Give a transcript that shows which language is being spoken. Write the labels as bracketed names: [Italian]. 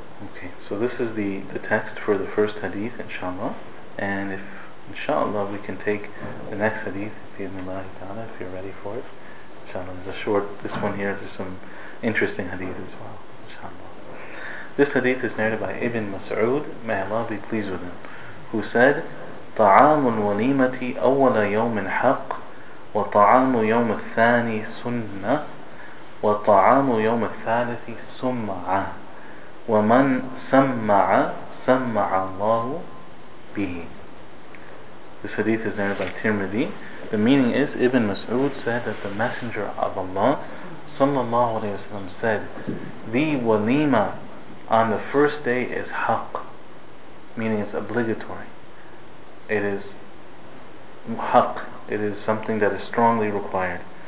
[English] Okay, so this is the text for the first hadith, inshallah. And if inshallah we can take the next hadith, bi-idhnillahi ta'ala, if you're ready for it. Inshallah, there's a short, this one here, there's some interesting hadith as well. This hadith is narrated by Ibn Mas'ud, may Allah be pleased with him, who said, [Arabic] طعام الوليمة أول يوم حق وطعام يوم الثاني سنة وطعام يوم الثالث سمع ومن سمع سمع الله به. [English] This hadith is narrated by Tirmidhi. The meaning is, Ibn Mas'ud said that the Messenger of Allah sallallahu alayhi wasallam said, the walima on the first day is haqq, meaning it's obligatory. It is haqq, it is something that is strongly required.